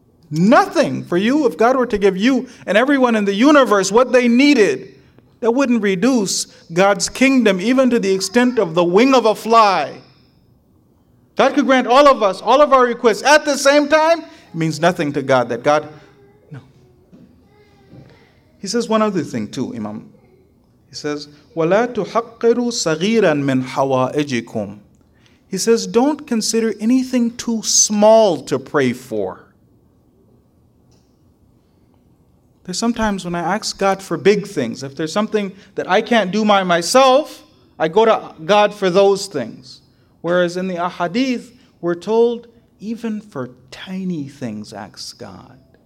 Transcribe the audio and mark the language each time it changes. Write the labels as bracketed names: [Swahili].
[English] Nothing for you, if God were to give you and everyone in the universe what they needed, that wouldn't reduce God's kingdom even to the extent of the wing of a fly. God could grant all of us, all of our requests at the same time. It means nothing to God that God... No. He says one other thing too, Imam. He says, [Arabic] وَلَا تُحَقِّرُوا صَغِيرًا مِنْ حَوَائِجِكُمْ. [English] He says, don't consider anything too small to pray for. There's sometimes when I ask God for big things, if there's something that I can't do by myself, I go to God for those things. Whereas in the ahadith, we're told, even for tiny things, ask God.